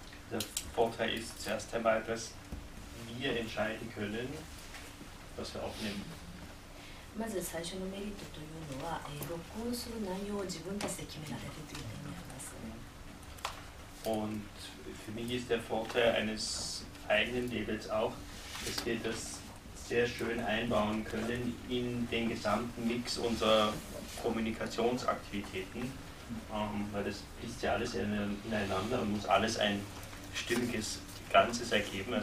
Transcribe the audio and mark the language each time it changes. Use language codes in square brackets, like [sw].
[de] Der Vorteil ist zuerst einmal, dass wir entscheiden können, was wir aufnehmen. [ja] まず最初のメリットというのは、録音する内容を自分たちで決められるという点にあります。 [de] Und für mich ist der Vorteil eines eigenen Labels auch, dass wir das sehr schön einbauen können in den gesamten Mix unserer Kommunikationsaktivitäten, weil das fließt ja alles ineinander und muss alles ein stimmiges Ganzes ergeben.